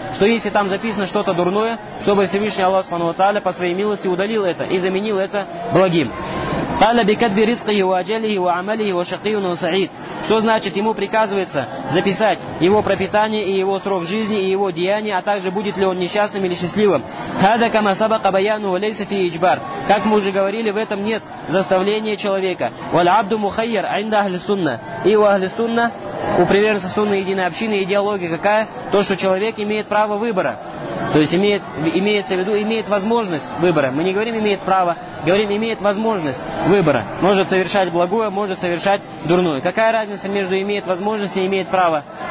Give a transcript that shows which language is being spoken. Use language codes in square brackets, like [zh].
[ru] Что если там записано что-то дурное, чтобы Всевышний Аллах Субхану ва Тааля по своей милости удалил это и заменил это благим. [ar] قال بكتب رزقه وأجله وعمله وشقيه وسعيد. [ru] Что значит, ему приказывается записать его пропитание и его срок жизни и его деяния, а также будет ли он несчастным или счастливым. [ar] هذا كما سبق بيانه ليس فيه إجبار. [ru] Как мы уже говорили, в этом нет заставления человека. [ar] والعبد مخير عند أهل السنة. [ru] И у أهل السنة, у приверженцев сунны единой общины, идеология какая? То, что человек имеет право выбора. То есть имеется в виду, имеет возможность выбора. Мы не говорим имеет право, говорим имеет возможность выбора. Может совершать благое, может совершать дурное. Какая разница между имеет возможность и имеет право?